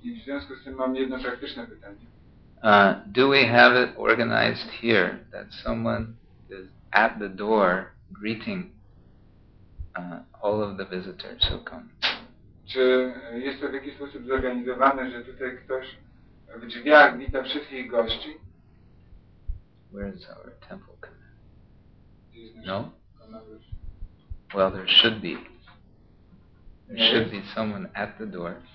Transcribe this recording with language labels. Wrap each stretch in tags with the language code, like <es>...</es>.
<pl>I w związku z tym mam jedno praktyczne pytanie.</pl> <en>Do we have it organized here that someone is at the door greeting all of the visitors who come?</en> <pl>Czy jest to w jakiś sposób zorganizowane, że tutaj ktoś w drzwiach wita wszystkich gości?</pl> <en>Where is our temple command? No? Well, there should be. There should be someone at the door.</en>